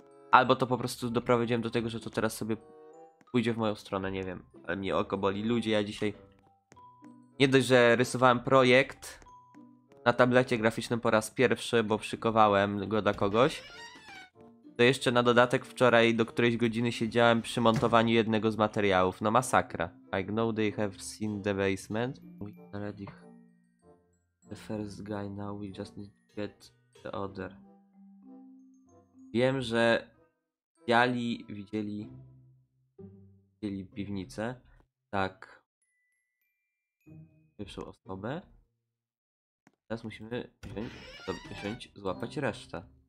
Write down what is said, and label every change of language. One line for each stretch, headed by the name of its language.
Polish: Albo to po prostu doprowadziłem do tego, że to teraz sobie pójdzie w moją stronę, nie wiem. Ale mnie oko boli. Ludzie, ja dzisiaj nie dość, że rysowałem projekt na tablecie graficznym po raz pierwszy, bo szykowałem go dla kogoś. To jeszcze na dodatek wczoraj do którejś godziny siedziałem przy montowaniu jednego z materiałów. No masakra.
English: I know they have seen the basement. We already the first guy, now we just need to get the other.
Polish: Wiem, że widzieli piwnicę, tak, pierwszą osobę, teraz musimy wziąć, złapać resztę.